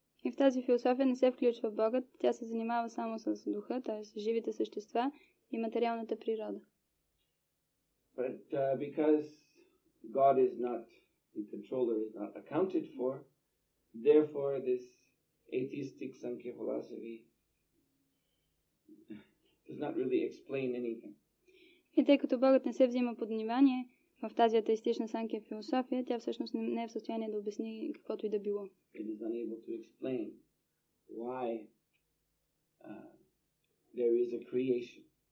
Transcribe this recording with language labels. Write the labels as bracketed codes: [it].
[bg] И в тази философия не се включва Богът. Тя се занимава само с духа, т.е. живите същества и материалната природа. [en] But because God is not, the controller is not accounted for, therefore this atheistic Sankhya philosophy does not really explain anything. [bg] И тъй като Богът не се взима под внимание в тази атеистична Sankhya философия, тя всъщност не е в състояние да обясни каквото и да било. [en] It is unable to explain why there is a creation.